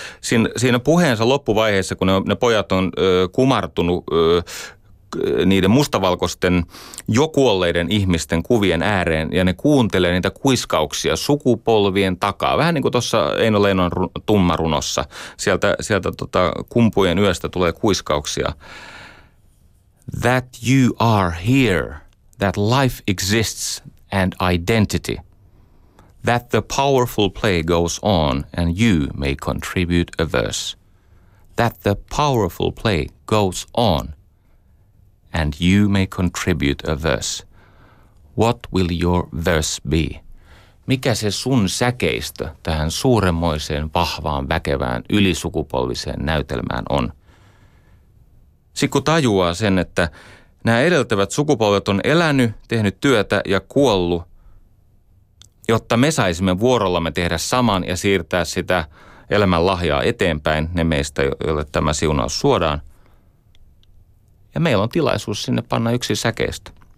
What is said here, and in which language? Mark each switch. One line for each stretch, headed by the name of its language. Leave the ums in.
Finnish: Siin, siinä puheensa loppuvaiheessa, kun ne, on- ne pojat on ö, kumartunut ö, k- niiden mustavalkoisten jo kuolleiden ihmisten kuvien ääreen ja ne kuuntelee niitä kuiskauksia sukupolvien takaa. Vähän niin kuin tuossa Eino Leinon ru- tummarunossa. Sieltä, sieltä tota kumpujen yöstä tulee kuiskauksia.
English: That you are here, that life exists and identity. That the powerful play goes on and you may contribute a verse. That the powerful play goes on and you may contribute a verse. What will your verse be?
Finnish: Mikä se sun säkeistö tähän suuremmoiseen, vahvaan, väkevään, ylisukupolviseen näytelmään on? Sitten kun tajuaa sen, että nämä edeltävät sukupolvet on elänyt, tehnyt työtä ja kuollut, jotta me saisimme vuorollamme tehdä saman ja siirtää sitä elämän lahjaa eteenpäin, ne meistä, joille tämä siunaus suodaan, ja meillä on tilaisuus sinne panna yksi säkeistä.